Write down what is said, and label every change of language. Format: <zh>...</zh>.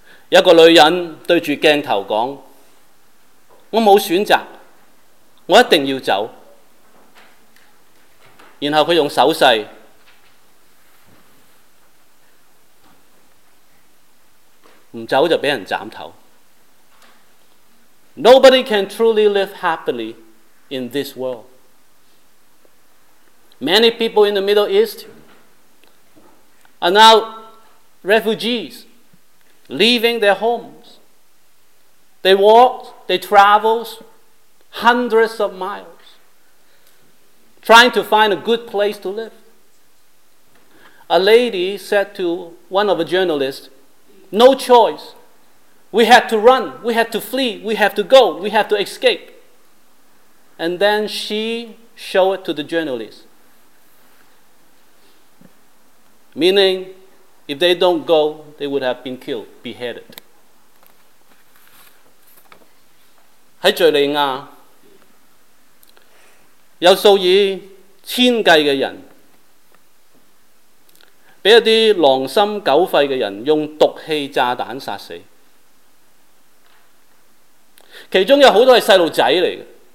<zh>有一个女人对着镜头讲，我没有选择，我一定要走。然后她用手势不走就被人斩头。</zh> <en>Nobody can truly live happily in this world. Many people in the Middle East are now refugees, leaving their homes. They walk, they travel hundreds of miles, trying to find a good place to live. A lady said to one of the journalists,No choice. We had to run. We had to flee. We had to go. We had to escape. And then she showed it to the journalist. Meaning, if they don't go, they would have been killed, beheaded.</en> <zh>在敘利亞，有數以千計的人被一些狼心狗肺的人用毒气炸弹杀死，其中有很多是小孩子。</zh>